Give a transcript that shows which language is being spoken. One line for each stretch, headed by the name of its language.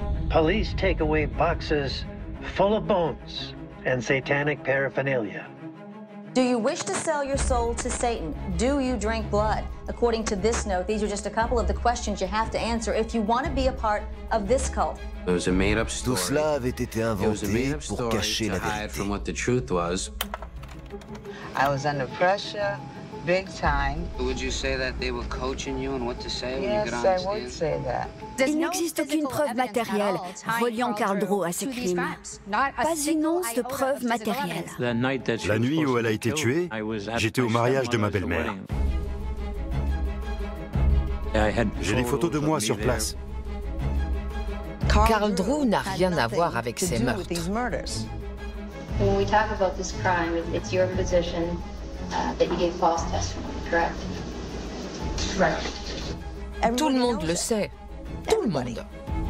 English: Police take away boxes full of bones and satanic paraphernalia. Do you wish to sell your soul to Satan? Do you drink blood? According to this note, these are just a couple of the questions you have to answer if you want to be a part of this cult.
French: Tout cela avait été inventé pour cacher la vérité.
English: From what the truth was. I was under pressure. Big time. Would you say that they were coaching you and what to say? Yes, I would say that.
French: Il n'existe aucune preuve matérielle reliant Carl Drew à ce crime. Pas une once de preuve matérielle. La nuit où elle a été tuée, j'étais au mariage de ma belle-mère. J'ai des photos de moi sur place. Carl Drew n'a rien à voir avec ces meurtres.
English: When we talk about this crime, it's your position. That you gave false testimony, correct?
French: Tout le monde le sait. Tout le monde.